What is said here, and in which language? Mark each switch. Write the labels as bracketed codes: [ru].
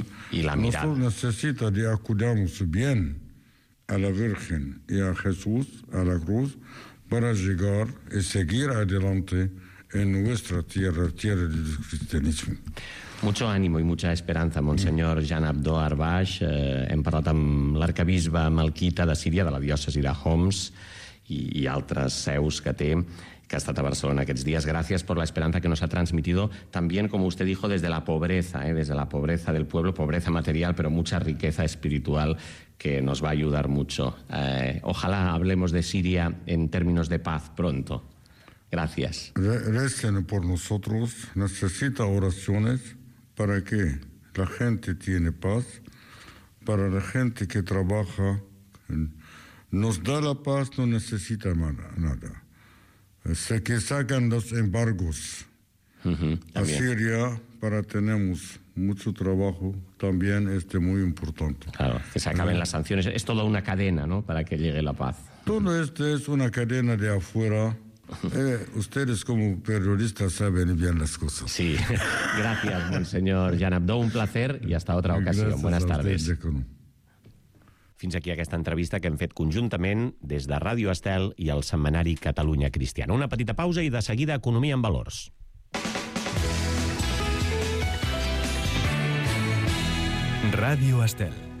[es] Y la mirada. Nosotros necesitamos que acudamos bien a la Virgen y a Jesús, a la cruz, para llegar y seguir adelante en nuestra tierra, tierra del cristianismo. Mucho ánimo i mucha esperanza, Monsenyor Jean Abdo Arbaix. [ca] Hem parlat amb l'arcabisbe Malquita de Síria, de la diòcesi de Homs, i altres seus que té, que ha estat a Barcelona aquests dies. Gràcies per l'esperança que [es] nos ha transmitido, también, como usted dijo, desde la pobreza, desde la pobreza del pueblo, pobreza material, pero mucha riqueza espiritual que nos va a ayudar mucho. Ojalá hablemos de Síria en términos de paz pronto. Gracias. Recen por nosotros, necesita oraciones para que la gente tiene paz, para la gente que trabaja. Nos da la paz, no necesita nada. Sé que sacan los embargos a Siria para tenemos mucho trabajo, también muy importante. Claro, que se acaben las sanciones. Es toda una cadena, ¿no?, para que llegue la paz. Todo esto es una cadena de afuera. Ustedes como periodistas saben bien las cosas. Sí, gracias, Monseñor Jean Abdo, un placer y hasta otra ocasión. Gracias. Buenas tardes. Usted, [ca] fins aquí aquesta entrevista que hem fet conjuntament des de Ràdio Estel i el Setmanari Catalunya Cristiana. Una petita pausa i de seguida Economia en Valors. Ràdio Estel.